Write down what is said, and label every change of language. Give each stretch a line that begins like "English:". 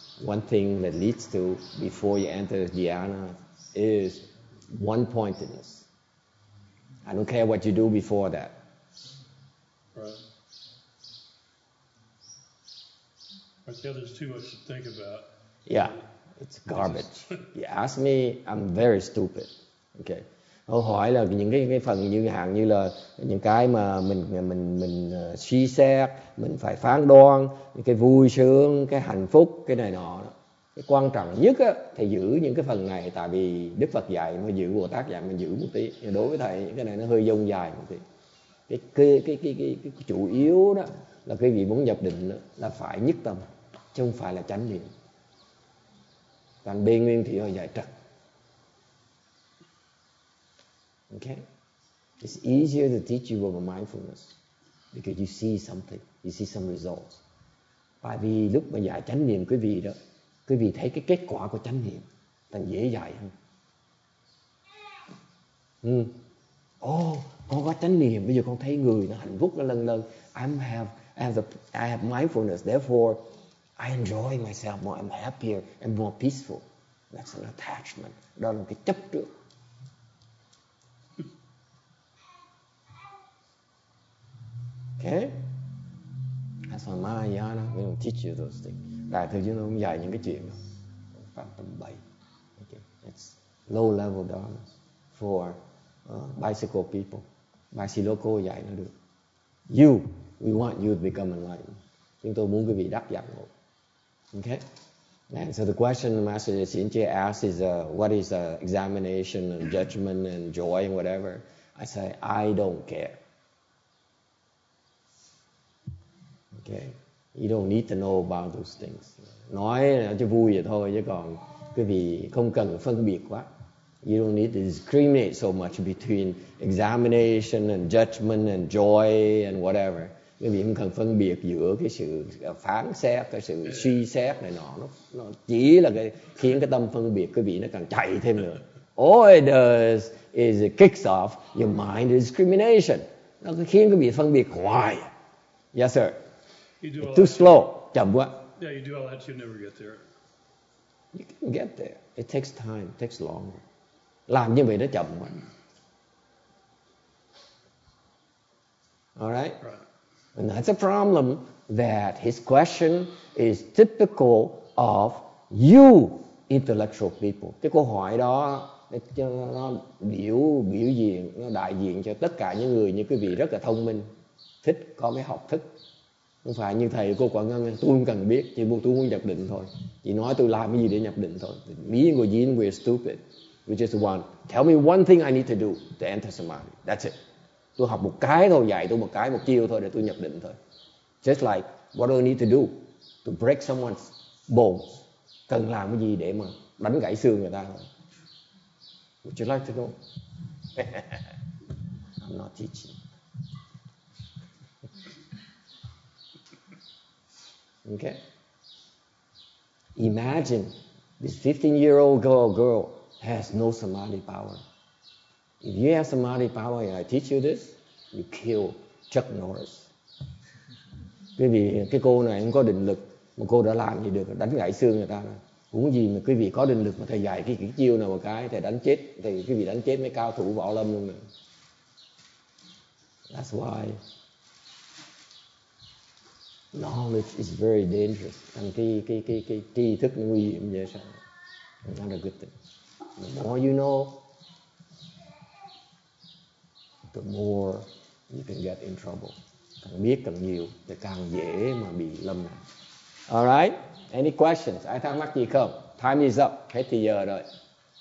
English: One thing that leads to, before you enter dhyana, is one-pointedness. I don't care what you do before that. Right. I feel there's too much to think about. Yeah, it's garbage. You ask me, I'm very stupid. Okay.
Vietnamese: Họ hỏi là những cái phần như hạn như là những cái mà mình suy xét, mình phải phán đoán, những cái vui sướng, cái hạnh phúc, cái này nọ. Cái quan trọng nhất á, thầy giữ những cái phần này, tại vì Đức Phật dạy mà giữ, Bồ Tát dạy mà giữ một tí. Nhưng đối với thầy cái này nó hơi dông dài một tí. Cái chủ yếu đó là cái gì muốn nhập định đó, là phải nhất tâm, chứ không phải là chánh niệm. Còn bên nguyên thì họ dạy trật.
English: Okay, it's easier to teach you about mindfulness because you see something, you see some results.
Vietnamese: Tại vì lúc mà dạy chánh niệm quý vị đó, quý vị thấy cái kết quả của chánh niệm thành dễ dạy hơn. Oh, con có chánh niệm, bây giờ con thấy người nó hạnh phúc lần lần.
English: I have mindfulness, therefore I enjoy myself more, I'm happier and more peaceful. That's an attachment.
Vietnamese: Đó là cái chấp trước.
English: Okay. That's why Mahayana, we don't teach you those things.
Vietnamese: Đại thừa chúng tôi không dạy những cái chuyện đó. Phạm tâm bậy.
English: Okay. It's low level dharma for bicycle people. Bicycle
Vietnamese: dạy nó được.
English: You, we want you to become enlightened.
Vietnamese: Chúng tôi muốn quý vị đắc giác ngộ.
English: Okay. And so the question the Master Xin Chia asked is, what is examination and judgment and joy and whatever? I say, I don't care. Okay, you don't need to know about those things.
Vietnamese: Nói cho vui vậy thôi, chứ còn quý vị không cần phân biệt quá.
English: You don't need to discriminate so much between examination and judgment and joy and whatever.
Vietnamese: Quý vị không cần phân biệt giữa cái sự phán xét, cái sự suy xét này nọ. Nó chỉ là cái khiến cái tâm phân biệt quý vị nó càng chạy thêm nữa.
English: All it does is it kicks off your mind discrimination.
Vietnamese: Nó khiến quý vị phân biệt hoài.
English: Yes, sir. Too slow.
Vietnamese: Chậm quá.
English: Yeah, you do all that, you never get there. You can get there. It takes time. It takes longer.
Vietnamese: Làm như vậy nó chậm quá.
English: Alright? Right. And that's a problem that his question is typical of you intellectual people.
Vietnamese: Cái câu hỏi đó nó biểu diện, nó đại diện cho tất cả những người như quý vị rất là thông minh, thích có cái học thức. Không phải như thầy cô Quảng Ngân, tôi không cần biết, chỉ muốn tôi muốn nhập định thôi. Chỉ nói tôi làm cái gì để nhập định thôi.
English: Me and Gojin, we're stupid. We just want, tell me one thing I need to do to enter samadhi. That's it.
Vietnamese: Tôi học một cái thôi, dạy tôi một cái, một chiêu thôi để tôi nhập định thôi.
English: Just like, what do I need to do to break someone's bones?
Vietnamese: Cần làm cái gì để mà đánh gãy xương người ta thôi.
English: Would you like to know? I'm not teaching. Okay? Imagine this 15-year-old girl has no samadhi power. If you have samadhi power and I teach you this, you kill Chuck Norris.
Vietnamese: Quý vị, cái cô này không có định lực mà cô đã làm gì được, đánh gãy xương người ta rồi. Cũng gì mà quý vị có định lực mà thầy dạy cái chiêu nào một cái, thầy đánh chết, thì quý vị đánh chết mấy cao thủ võ lâm luôn rồi.
English: That's why knowledge is very dangerous.
Vietnamese: And cái tri thức nó nguy hiểm như thế nào?
English: Not a good thing. The more you know, the more you can get in trouble.
Vietnamese: Càng biết càng nhiều thì càng dễ mà bị lâm nạn.
English: All right? Any questions?
Vietnamese: Ai thắc mắc gì không?
English: Time is up.
Vietnamese: Hết thì giờ rồi.